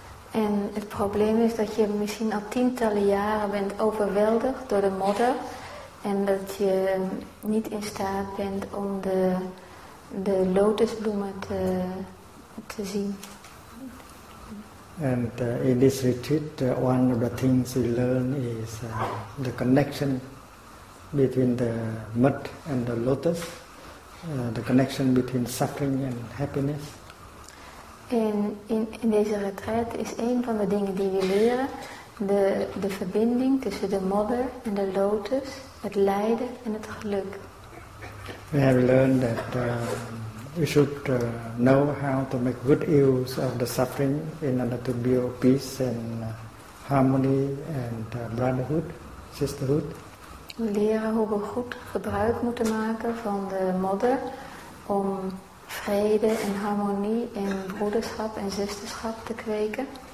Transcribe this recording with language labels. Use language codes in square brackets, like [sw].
[nl] En het probleem is dat je misschien al tientallen jaren bent overweldigd door de modder en dat je niet in staat bent om de lotusbloemen te zien. [en] And in this retreat, one of the things we learn is the connection between the mud and the lotus, the connection between suffering and happiness. [nl] En in deze retraite is een van de dingen die we leren de verbinding tussen de modder en de lotus, het lijden en het geluk. [en] We have learned that we should know how to make good use of the suffering in order to build peace and harmony and brotherhood, sisterhood. [nl] We leren hoe we goed gebruik moeten maken van de modder om vrede en harmonie en broederschap en zusterschap te kweken.